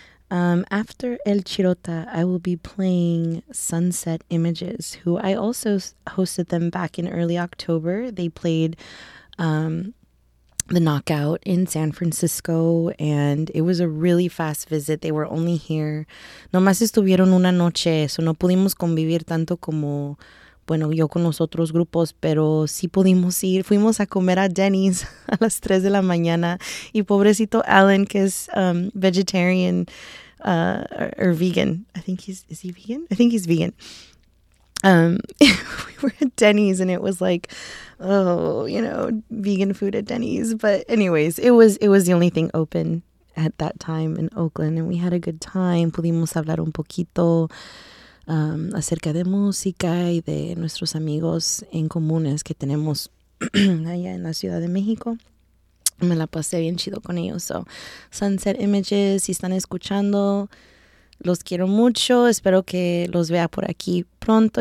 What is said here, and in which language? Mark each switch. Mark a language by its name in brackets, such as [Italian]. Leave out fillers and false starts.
[English] After El Chirota, I will be playing Sunset Images, who I also hosted them back in early October. They played The Knockout in San Francisco, and it was a really fast visit. They were only here. [Spanish] Nomás estuvieron una noche, so no pudimos convivir tanto como, bueno, yo con los otros grupos, pero sí pudimos ir. Fuimos a comer a Denny's a las 3 de la mañana, y pobrecito Alan, que es [English] vegetarian or vegan. I think he's vegan. We were at Denny's and it was like, vegan food at Denny's. But anyways, it was the only thing open at that time in Oakland, and we had a good time. [Spanish] Pudimos hablar un poquito acerca de música y de nuestros amigos en comunes que tenemos allá en la Ciudad de México. Me la pasé bien chido con ellos. So, Sunset Images, si están escuchando, los quiero mucho, espero que los vea por aquí pronto.